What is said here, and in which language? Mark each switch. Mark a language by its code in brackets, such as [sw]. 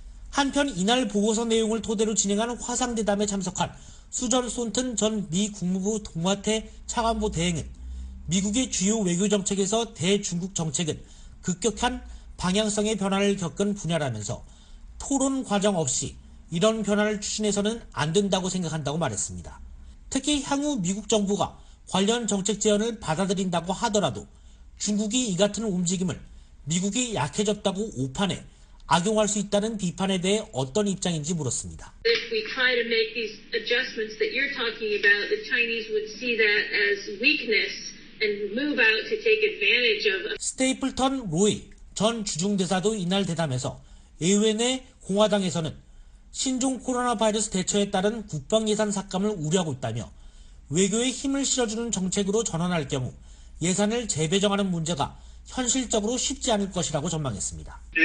[ko] 한편 이날 보고서 내용을 토대로 진행한 화상대담에 참석한 수전 손튼 전 미 국무부 동아태 차관보 대행은 미국의 주요 외교정책에서 대중국 정책은 급격한 방향성의 변화를 겪은 분야라면서 토론 과정 없이 이런 변화를 추진해서는 안 된다고 생각한다고 말했습니다. 특히 향후 미국 정부가 관련 정책 제언을 받아들인다고 하더라도 중국이 이 같은 움직임을 미국이 약해졌다고 오판해 악용할 수 있다는 비판에 대해 어떤 입장인지 물었습니다. [en] If we try to make these adjustments that you're talking about, the Chinese would see that as weakness and move out to take advantage of. [ko] 스테이플턴 로이 전 주중대사도 이날 대담에서 의회 내 공화당에서는 신종 코로나 바이러스 대처에 따른 국방 예산 삭감을 우려하고 있다며 외교에 힘을 실어주는 정책으로 전환할 경우 예산을 재배정하는 문제가 현실적으로 쉽지 않을 것이라고 전망했습니다.